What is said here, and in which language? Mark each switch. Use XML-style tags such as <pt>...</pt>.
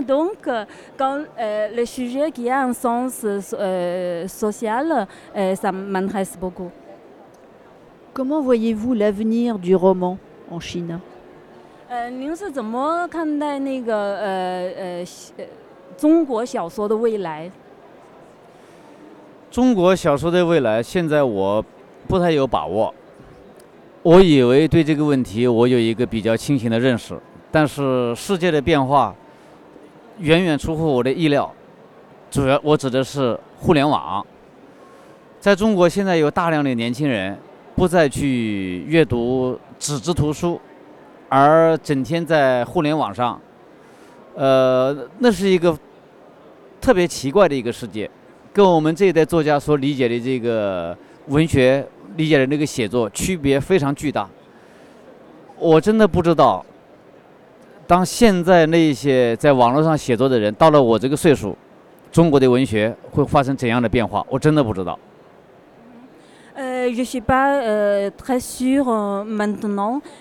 <fr>Donc, quand le sujet qui a un sens social, ça m'intéresse beaucoup. Comment voyez-vous l'avenir du roman en Chine?</fr> <zh>您是怎么看待那个中国小说的未来？中国小说的未来，现在我不太有把握。我以为对这个问题我有一个比较清醒的认识，但是世界的变化远远出乎我的意料。主要我指的是互联网，在中国现在有大量的年轻人不再去阅读纸质图书，而整天在互联网上，那是一个特别奇怪的一个世界，跟我们这一代作家所理解的这个文学理解的那个写作区别非常巨大。我真的不知道，当现在那些在网络上写作的人到了我这个岁数，中国的文学会发生怎样的变化，我真的不知道。</zh> <fr>Je ne suis pas très sûre maintenant.</fr>